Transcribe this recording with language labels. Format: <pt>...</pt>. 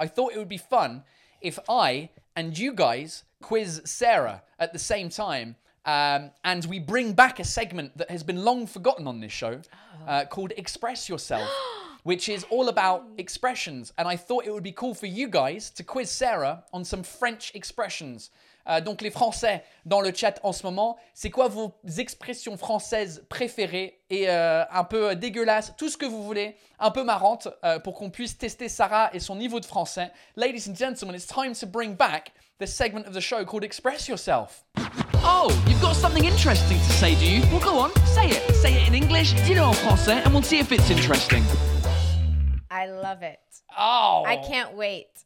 <en>I thought it would be fun if I and you guys quiz Sarah at the same time, and we bring back a segment that has been long forgotten on this show called Express Yourself, which is all about expressions. And I thought it would be cool for you guys to quiz Sarah on some French expressions.</en> <fr>Donc les Français dans le chat en ce moment, c'est quoi vos expressions françaises préférées et un peu dégueulasses, tout ce que vous voulez, un peu marrante pour qu'on puisse tester Sarah et son niveau de français.</fr> <en>Ladies and gentlemen, it's time to bring back the segment of the show called Express Yourself. Oh, you've got something interesting to say, do you? Well, go on, say it. Say it in English,</en> <fr>dis-le en français,</fr> <en>and we'll see if it's interesting. I love it. Oh. I can't wait.</en>